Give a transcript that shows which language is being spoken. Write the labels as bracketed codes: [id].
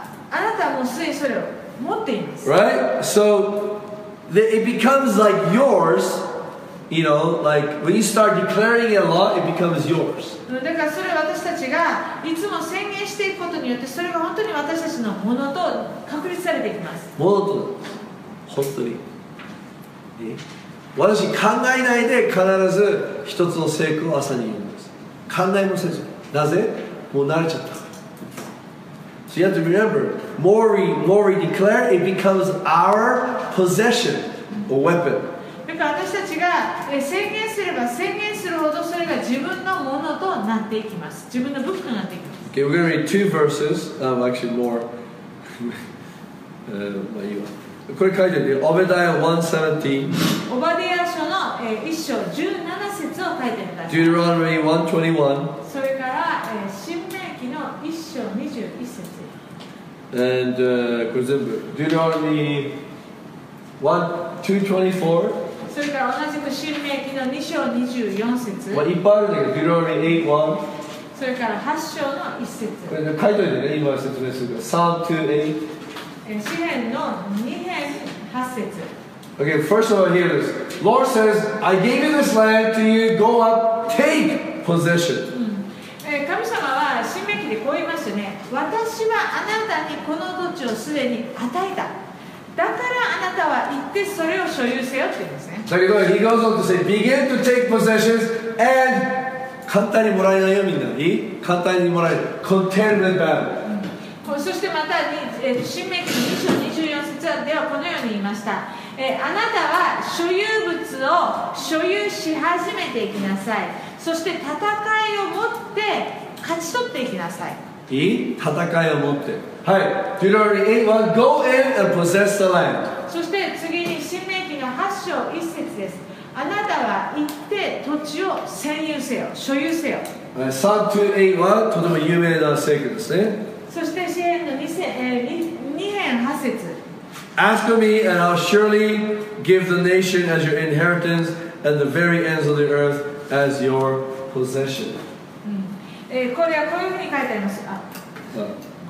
[ja] あなたはもうすでにそれを持っています。 [en] Right? So it becomes like yours. You know, like when you start declaring it a lot, it becomes yours. [ja] だからそれ私たちがいつも宣言していくことによって、それが本当に私たちのものと確立されていきます。ものと本当に。私考えないで必ず一つの成功を朝に言います。考えもせず。なぜ？もう慣れちゃったから。 [en] So you have to remember, more we declare, it becomes our possession or weapon. [ja] 私たちが宣言すれば宣言するほどそれが自分のものとなっていきます。自分の武器となっていきます。 [en] Okay, we're going to read two verses actually more 、 [ja] まあいいわ。これ書いてあるよ。オベダヤ1:17。オバディヤ書の1章17節を書いてください。 [en] Deuteronomy 1:21。 [ja] それから、新命記の1章21節。 [en] And [ja] これ全部 [en] Deuteronomy 1:24。 [ja] それから同じく新命記の2章24節。まあ、いっぱいあるんだけど、Deuteronomy 8:1。 それから8 章の1節。これ書いといてね、今説明するから。 [en] Psalm 2:8。 [ja] 詩篇の 2 編8節。 [en] Okay, first of all, here it is. Lord says, I gave you this land to you, go up, take possession. [ja] 神様は新命記でこう言いますよね。私はあなたにこの土地をすでに与えた。だからあなたは行ってそれを所有せよって言うんですね。だけど、 [en] he goes on to say, begin to take possessions and [ja] 簡単にもらえないよみんな。いい？簡単にもらえる。 [en] Contend with battle。 [ja] そしてまた、新命記2章24節ではこのように言いました。あなたは所有物を所有し始めていきなさい。そして戦いを持って勝ち取っていきなさい。いい？戦いを持って。はい。 [en] Deuteronomy 8:1, go in and possess the land. [ja] そして次に新命記の8章1節です。あなたは行って土地を占有せよ、所有せよ。 Psalm 2:8:1, とても有名な聖句ですね。そして詩編の 2編8節。 [en] Ask of me and I'll surely give the nation as your inheritance and the very ends of the earth as your possession. [ja] これはこういうふうに書いてあります。